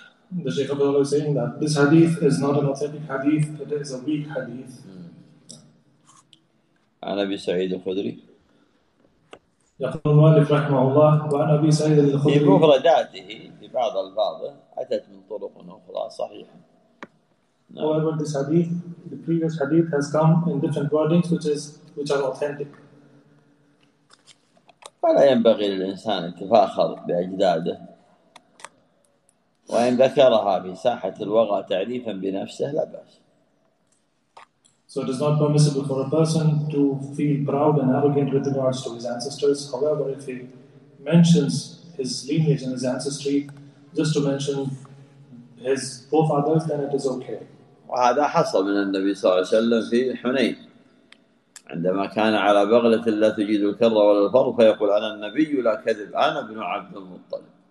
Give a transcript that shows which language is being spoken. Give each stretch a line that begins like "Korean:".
English: The Sheikh Abdullah was saying that this hadith is not an authentic hadith, it is a weak hadith.
Arabic: عن أبي سعيد الخدري. يقول المؤلف رحمه الله: وعن أبي سعيد الخدري. في مفرداته في بعض الألفاظ أتت من طرق أخرى صحيحة.
English: However, this hadith, the previous hadith has come in different wordings which are authentic.
Arabic: فلا ينبغي للإنسان يتفاخر بأجداده. وإن ذكرها في ساحة الوغى تعريفا بنفسه لا بأس.
English: So it is not permissible for a person to feel proud and arrogant with regards to his ancestors. However, if he mentions his lineage and his ancestry, just to mention his forefathers, then it is okay.
Arabic: وهذا حصل من النبي صلى الله عليه وسلم في حنين عندما كان على بغلة لا تجد الكر ولا الفر فيقول: أنا النبي لا كذب، أنا ابن عبد المطلب.